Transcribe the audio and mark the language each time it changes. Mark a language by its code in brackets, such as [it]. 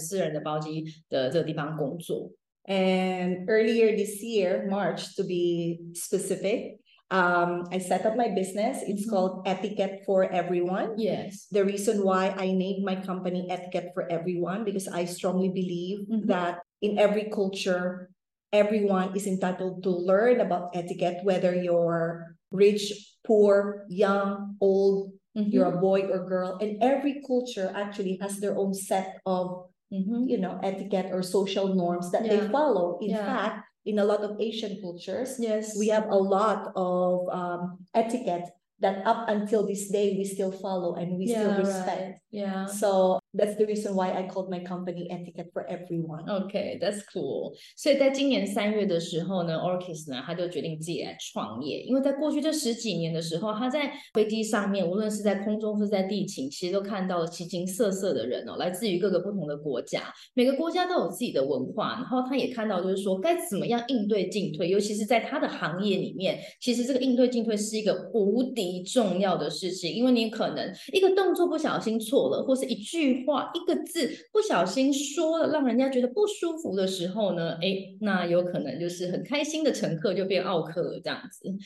[zh] 就在过去这3到4年，全球的流行病流行的同时，我们大家都不敢出门的同时，但是呢，还是有一批人他可能因为工作上面的需要，或者是想要旅游之类，他需要出国，怎么办呢？没关系，大的航空公司不开，没有航线，总是会有生存的方式，所以呢，就出现了许许多多那些私人的包机行程，所以后来呢，Orkin他就在这个私人的包机的这个地方工作。 [en] And earlier this year, March to be specific, I set up my business. It's called Etiquette for Everyone. Yes. The reason why I named my company Etiquette for Everyone, because I strongly believe that in every culture, everyone is entitled to learn about etiquette, whether you're rich, poor, young, old, you're a boy or girl. And every culture actually has their own set of, you know, etiquette or social norms that they follow. In fact, in a lot of Asian cultures, yes, we have a lot of etiquette that up until this day we still follow and we still respect. Right. Yeah. So that's the reason why I called my company Etiquette for Everyone. Okay, that's cool. [zh] 所以在今年三月的时候呢 ，Orchis 呢，他就决定自己来创业。因为在过去这十几年的时候，他在飞机上面，无论是在空中或是在地勤，其实都看到了形形色色的人哦，来自于各个不同的国家，每个国家都有自己的文化。然后他也看到，就是说该怎么样应对进退，尤其是在他的行业里面，其实这个应对进退是一个无敌重要的事情，因为你可能一个动作不小心错了，或是一句话一个字不小心说了让人家觉得不舒服的时候呢，哎，那有可能就是很开心的乘客就变奥客了这样子。